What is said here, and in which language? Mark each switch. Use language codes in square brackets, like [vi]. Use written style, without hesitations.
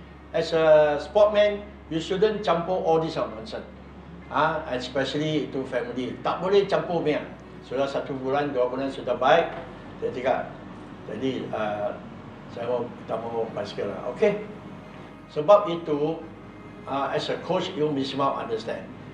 [en] As a sportman, you shouldn't campur all this nonsense. Especially to family. [ms] Tak boleh campur punya. Sudah 1 bulan, 2 bulan sudah baik. Jadi, saya mau kita mau basikal lah. [en] Okay. [ms] Sebab itu, [en] as a coach, you [ms] mesti mau [en] understand.